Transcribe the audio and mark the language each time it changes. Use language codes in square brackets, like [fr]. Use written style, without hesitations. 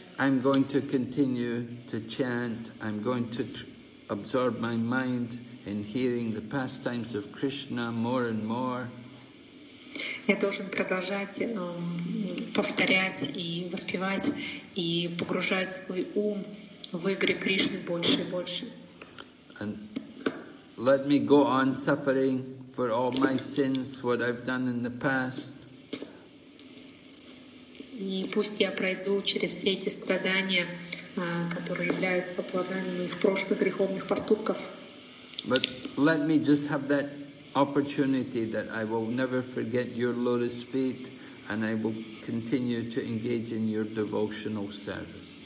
[en] I'm going to continue to chant, I'm going to absorb my mind in hearing the pastimes of Krishna more and more. [ru] Я должен продолжать повторять и воспевать и погружать свой ум в игры Кришны больше и больше. [en] And let me go on suffering for all my sins, what I've done in the past. [ru] И пусть я пройду через все эти страдания, которые являются плодами моих прошлых греховных поступков. [en] But let me just have that opportunity that I will never forget your lotus feet and I will continue to engage in your devotional service.